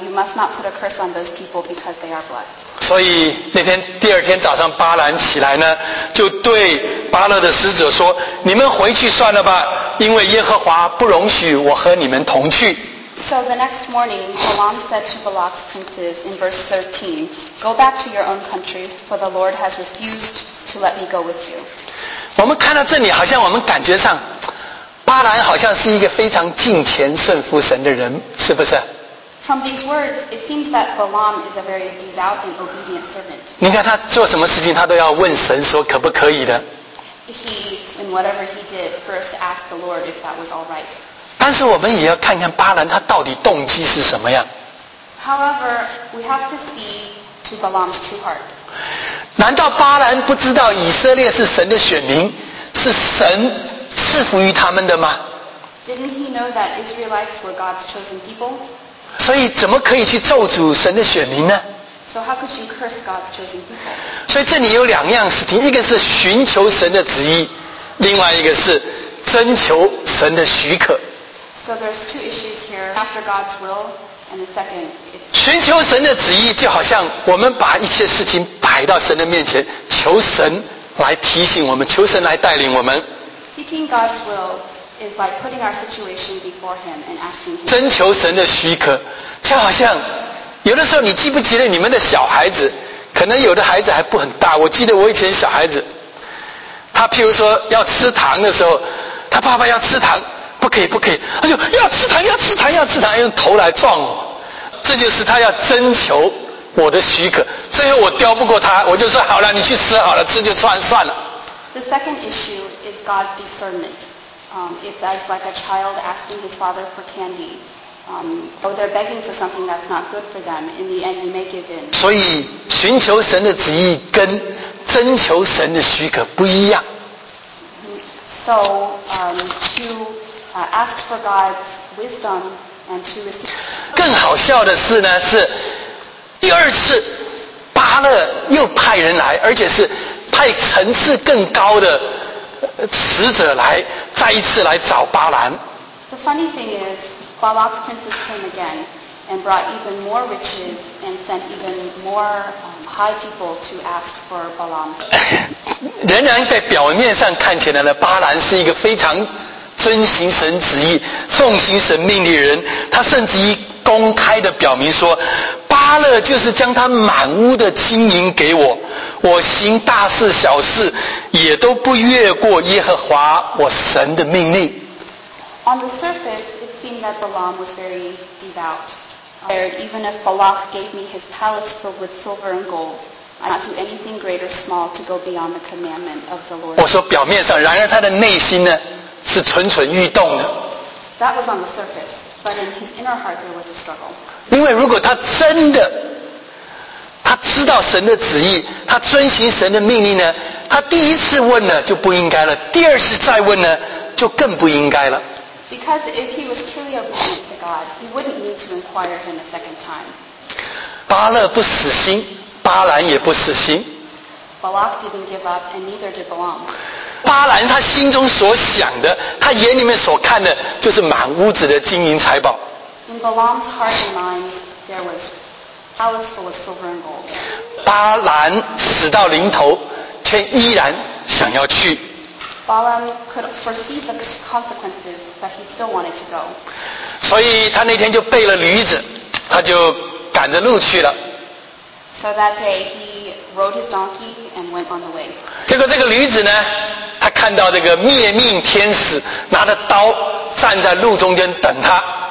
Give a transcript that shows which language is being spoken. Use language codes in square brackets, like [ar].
[en] You must not put a curse on those people because they are blessed. [zh] 所以那天第二天早上，巴兰起来呢，就对巴勒的使者说：“你们回去算了吧，因为耶和华不容许我和你们同去。” [en] So the next morning, Balaam said to Balak's princes in verse 13, "Go back to your own country, for the Lord has refused to let me go with you." [zh] 我们看到这里，好像我们感觉上。巴兰好像是一个非常敬虔顺服神的人，是不是？ [en] From these words, it seems that Balaam is a very devout and obedient servant. [zh] 你看他做什么事情，他都要问神说可不可以的。 [en] He, in whatever he did, first asked the Lord if that was all right. [zh] 但是我们也要看看巴兰他到底动机是什么呀。 [en] However, we have to see to Balaam's true heart. [zh] 难道巴兰不知道以色列是神的选民，是神？赐福于他们的吗？ [en] Didn't he know that Israelites were God's chosen people? [zh] 所以怎么可以去咒诅神的选民呢？ [en] So how could you curse God's chosen people? [zh] 所以这里有两样事情，一个是寻求神的旨意，另外一个是征求神的许可。 [en] So there's two issues here, after God's will, and the second, it's... [zh] 寻求神的旨意就好像我们把一切事情摆到神的面前，求神来提醒我们，求神来带领我们。 [en] Seeking God's will is like putting our situation before Him and asking Him. [zh] 征求神的许可，就好像有的时候你记不记得你们的小孩子，可能有的孩子还不很大。我记得我以前小孩子，他譬如说要吃糖的时候，他爸爸要吃糖，不可以不可以，他就要吃糖要吃糖要吃糖，用头来撞我。这就是他要征求我的许可。最后我刁不过他，我就说好了，你去吃好了，吃就算了。 [en] The second issue is God's discernment. It's as like a child asking his father for candy. Though they're begging for something that's not good for them, in the end, he may give in. [zh] 所以寻求神的旨意跟征求神的许可不一样。 [en] So, to ask for God's wisdom and to receive. [zh] 更好笑的是呢，是第二次巴勒又派人来，而且是。派层次更高的使者来，再一次来找巴兰。 [en] The funny thing is, Balak's princes came again and brought even more riches and sent even more high people to ask for Balaam. [zh] 仍然在表面上看起来呢，巴兰是一个非常遵行神旨意、奉行神命令的人。他甚至于公开的表明说。巴勒就是将他满屋的金银给我，我行大事小事也都不越过耶和华我神的命令。 [en] On the surface, it seemed that Balaam was very devout. Even if Balak gave me his palace filled with silver and gold, I'd not do anything great or small to go beyond the commandment of the Lord. [zh] 我说表面上，然而他的内心呢是蠢蠢欲动的。 [en] That was on the surface, but in his inner heart there was a struggle. [zh] 因为如果他真的他知道神的旨意，他遵行神的命令呢，他第一次问呢就不应该了，第二次再问呢就更不应该了。 [en] Because if he was truly obedient to God, he wouldn't need to inquire him a second time. [zh] 巴勒不死心，巴兰也不死心。 [en] Balak didn't give up and neither did Balaam. [zh] 巴兰他心中所想的，他眼里面所看的，就是满屋子的金银财宝。 [en] In Balaam's heart and mind, there was palace full of silver and gold. [zh] 巴兰死到临头，却依然想要去。 [en] Balaam could foresee the consequences, but he still wanted to go. [zh] 所以他那天就背了驴子，他就赶着路去了。 [en] So that day he rode his donkey and went on the way. [zh] 结果这个驴子呢，他看到这个灭命天使拿着刀站在路中间等他。